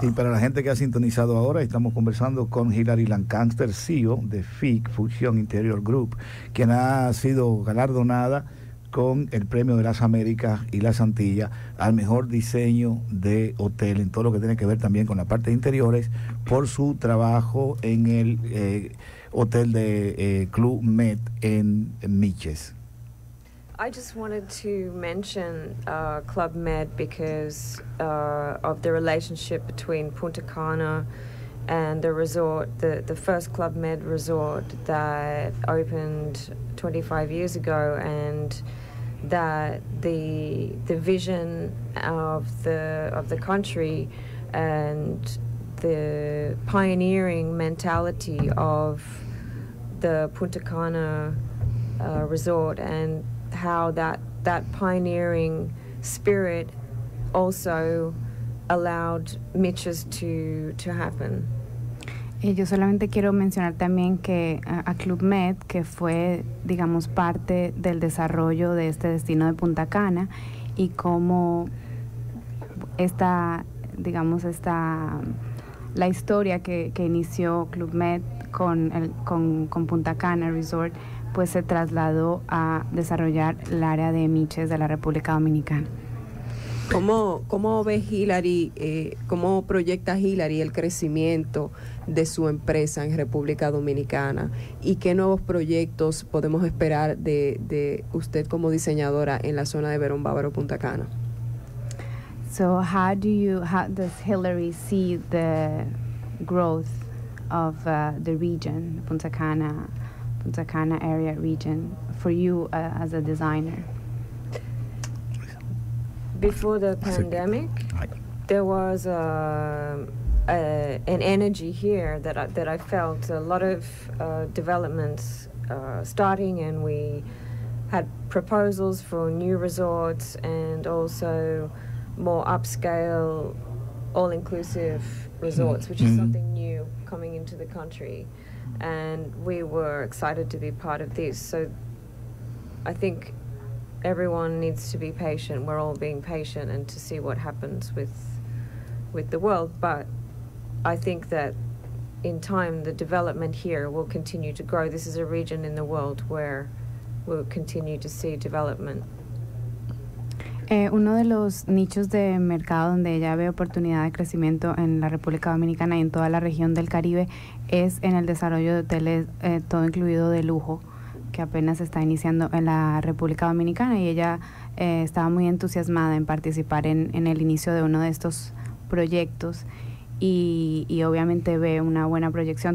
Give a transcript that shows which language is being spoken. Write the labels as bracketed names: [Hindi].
[Spanish] Y para la gente que ha sintonizado ahora, estamos conversando con Hilary Lancaster, CEO de FIC, Fusion Interior Group, quien ha sido galardonada con el Premio de las Américas y las Antillas al mejor diseño de hotel en todo lo que tiene que ver también con la parte de interiores por su trabajo en el hotel de Club Med en Mitches. [English] I just wanted to mention Club Med because of the relationship between Punta Cana and the resort, the first Club Med resort that opened 25 years ago, and that the vision of the country and the pioneering mentality of the Punta Cana resort, and how that pioneering spirit also allowed Mitches to happen. [Spanish] Y yo solamente quiero mencionar también que a Club Med, que fue, digamos, parte del desarrollo de este destino de Punta Cana, y cómo esta, digamos, esta, la historia que inició Club Med con Punta Cana Resort, pues se trasladó a desarrollar el área de Mitches de la República Dominicana. ¿Cómo ve Hillary, cómo proyecta Hillary el crecimiento de su empresa en República Dominicana? ¿Y qué nuevos proyectos podemos esperar de usted como diseñadora en la zona de Verón Bávaro, Punta Cana? [English] So how does Hillary see the growth of the region, Punta Cana area region, for you as a designer? Before the pandemic, there was an energy here that I felt a lot of developments starting, and we had proposals for new resorts and also more upscale, all-inclusive resorts, which is something new coming into the country. And we were excited to be part of this. So I think everyone needs to be patient. We're all being patient and to see what happens with the world. But I think that in time, the development here will continue to grow. This is a region in the world where we'll continue to see development. [Spanish] Uno de los nichos de mercado donde ella ve oportunidad de crecimiento en la República Dominicana y en toda la región del Caribe es en el desarrollo de hoteles, todo incluido de lujo, que apenas está iniciando en la República Dominicana, y ella estaba muy entusiasmada en participar en el inicio de uno de estos proyectos, y obviamente ve una buena proyección.